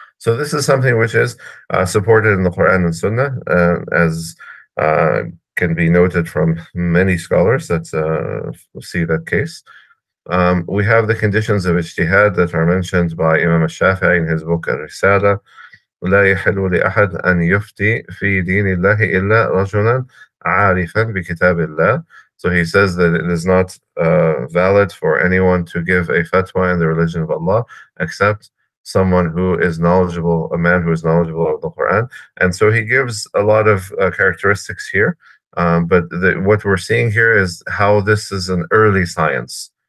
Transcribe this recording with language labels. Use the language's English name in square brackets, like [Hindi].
[English] So this is something which is supported in the Quran and Sunnah, as can be noted from many scholars that see that case. We have the conditions of ijtihad that are mentioned by Imam al-Shafi'i in his book Al-Risala. [Arabic] لا يحل لأحد أن يفتي في دين الله إلا رجلا عارفا بكتاب الله. [English] So he says that it is not valid for anyone to give a fatwa in the religion of Allah except someone who is knowledgeable, a man who is knowledgeable of the Quran. And so he gives a lot of characteristics here. But what we're seeing here is how this is an early science.